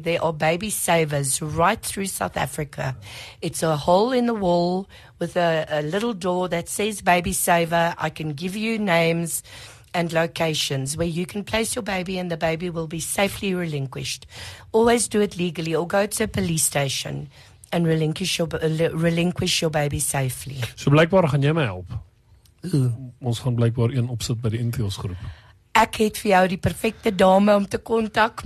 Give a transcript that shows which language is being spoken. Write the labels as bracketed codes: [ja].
[en] There are baby savers right through South Africa. It's a hole in the wall with a little door that says baby saver. I can give you names and locations where you can place your baby and the baby will be safely relinquished. Always do it legally or go to a police station and relinquish your baby safely. [af] So blijkbaar gaan jy my help. Ooh. Ons gaan blijkbaar een opsit by die NPO's groep. Ek het vir jou die perfekte dame om te kontak.